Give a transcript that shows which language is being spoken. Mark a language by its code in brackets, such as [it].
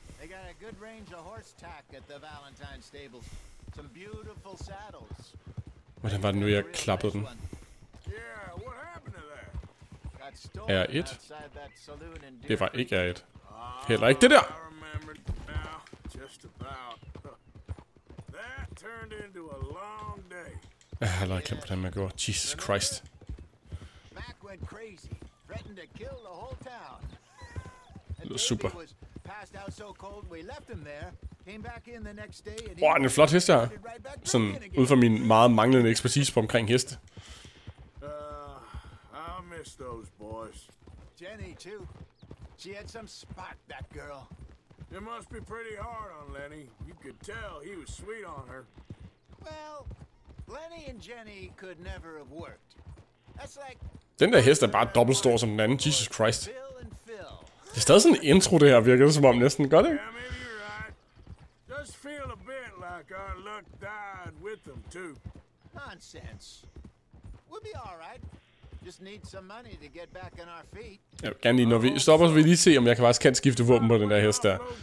[en] They got a good range of horse tack at the Valentine stables. Some beautiful saddles. [da] Hvordan var det nu, jeg klappede den? [en] Yeah, what happened to that? [da] R1? Det var ikke R1. Heller ikke det der! [en] I remember now, just about. Turned into a long day. [da] Jeg har aldrig glemt, hvordan man går. [en] Jesus Christ. Mac went crazy, threatened to kill the whole town. Super. Was passed out so cold we left him there. Came back in the next day and wow, [da] en flot hest her. Sådan ud fra min meget manglende ekspertise på omkring heste. [en] I miss those boys. Jenny too. She had some spot, that girl. It must be pretty hard on Lenny. You could tell he was sweet on her. Well, Lenny and Jenny could never have worked. That's like. [da] Den der hest er bare dobbelt stor som den anden. Jesus Christ. Det er stadig sådan en intro, det her virker som om næsten, gør det? [en] Yeah, maybe you're right. Just feel a bit like our luck died with them too. Nonsense. We'll be all right. Just need some money to get back on our feet. [da] Jeg vil gerne lige, når vi stopper, så vil lige se, om jeg kan faktisk kan skifte våben på den der hest der.